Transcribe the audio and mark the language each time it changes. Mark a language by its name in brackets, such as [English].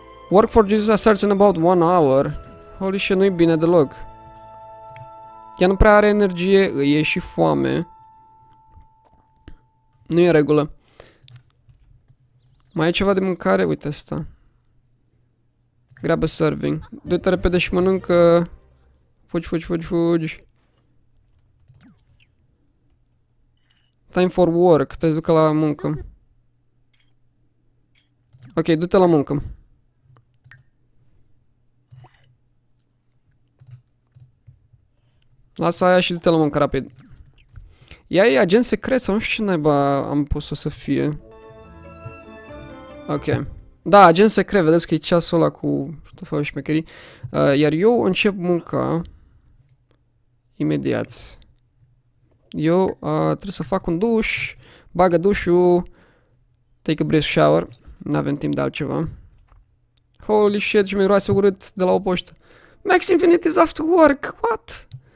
[English] Work for Jesus starts in about 1 hour. Holy shit, [Romanian] nu-i bine deloc. Ea nu prea are energie, îi e și foame. Nu e regulă. Mai e ceva de mâncare? Uite asta. [English] Grab a serving. [Romanian] Du-te repede și mănâncă. Fugi. [English] Time for work. [Romanian] Trebuie să ducă la muncă. Ok, du-te la muncă. Lasă aia și du-te la muncă rapid. Ea e agent secret sau nu știu ce naiba am pus-o să fie. Ok. Da, agent secret, vedeți că e ceasul ăla cu tot felul de șmecherii. Iar eu încep munca imediat. Eu trebuie să fac un duș, bagă dușul, [English] take a brisk shower, [Romanian] n-avem timp de altceva. [English] Holy shit, [Romanian] ce miroase urât de la o poștă. [English] Max Infinity is after work, what?